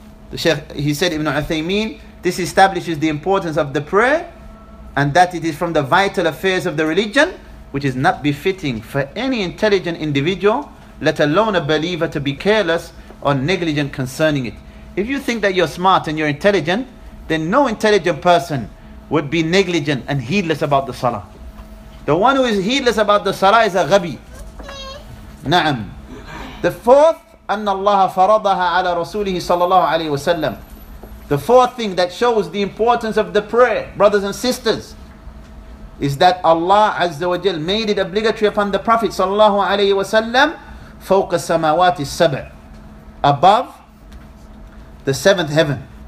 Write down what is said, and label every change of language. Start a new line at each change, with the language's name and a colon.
English: The Shaykh, he said, Ibn Uthaymeen, this establishes the importance of the prayer and that it is from the vital affairs of the religion, which is not befitting for any intelligent individual, let alone a believer, to be careless or negligent concerning it. If you think that you're smart and you're intelligent, then no intelligent person would be negligent and heedless about the salah. The one who is heedless about the salah is a ghabi. Na'am. The fourth,
Arabic: أن الله فرضها على رسوله صلى الله عليه وسلم.
English: The fourth thing that shows the importance of the prayer, brothers and sisters, is that Allah Azza wa Jal made it obligatory upon the Prophet صلى الله عليه وسلم
Arabic: فوق السماوات السبع,
English: above the seventh heaven.